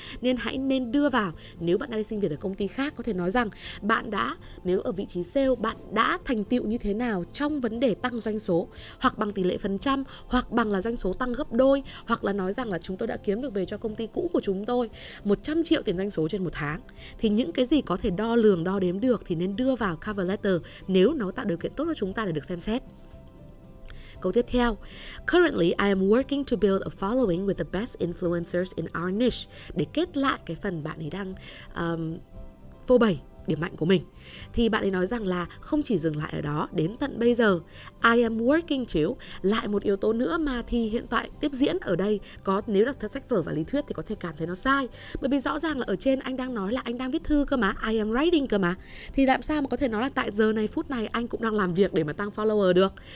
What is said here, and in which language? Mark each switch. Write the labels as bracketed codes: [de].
[vi] Nên hãy nên đưa vào, nếu bạn đang đi xin việc ở công ty khác, có thể nói rằng bạn đã, nếu ở vị trí sale, bạn đã thành tựu như thế nào trong vấn đề tăng doanh số, hoặc bằng tỷ lệ phần trăm, hoặc bằng là doanh số tăng gấp đôi, hoặc là nói rằng là chúng tôi đã kiếm được về cho công ty cũ của chúng tôi 100 triệu tiền doanh số trên một tháng. Thì những cái gì có thể đo lường, đo đếm được thì nên đưa vào cover letter nếu nó tạo điều kiện tốt cho chúng ta để được xem xét. Câu tiếp theo, [en] currently I am working to build a following with the best influencers in our niche. [vi] Để kết lại cái phần bạn ấy đang phô bày điểm mạnh của mình, thì bạn ấy nói rằng là không chỉ dừng lại ở đó, đến tận bây giờ [en] I am working to, [vi] lại một yếu tố nữa mà thì hiện tại tiếp diễn ở đây, có nếu đọc theo sách vở và lý thuyết thì có thể cảm thấy nó sai, bởi vì rõ ràng là ở trên anh đang nói là anh đang viết thư cơ mà, [en] I am writing [vi] cơ mà, thì làm sao mà có thể nói là tại giờ này, phút này anh cũng đang làm việc để mà tăng follower được.